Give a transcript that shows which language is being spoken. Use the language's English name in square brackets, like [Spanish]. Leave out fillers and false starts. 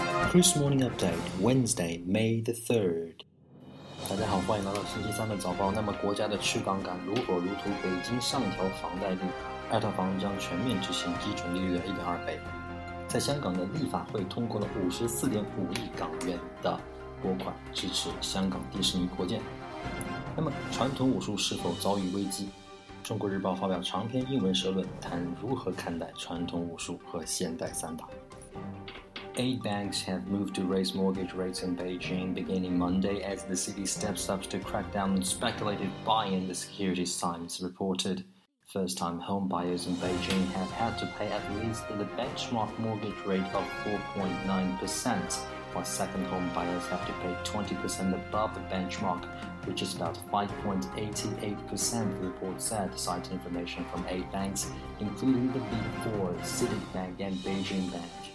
[English] Chris Morning Update Wednesday May the 3rd [Chinese] 大家好，欢迎来到星期三的早报。那么国家的去杠杆如火如荼，北京上调房贷率，二套房将全面执行基准利率的 1.2 倍。在香港的立法会通过了 54.5 亿港元的拨款，支持香港迪士尼扩建。那么传统武术是否遭遇危机？中国日报发表长篇英文社论，谈如何看待传统武术和现代散打。 [English] Eight banks have moved to raise mortgage rates in Beijing beginning Monday as the city steps up to crack down on speculative buy-in the Securities Times reported. First-time home buyers in Beijing have had to pay at least the benchmark mortgage rate of 4.9%, while second-home buyers have to pay 20% above the benchmark, which is about 5.88%, the report said, citing information from eight banks, including the Big Four, Citibank and Beijing Bank.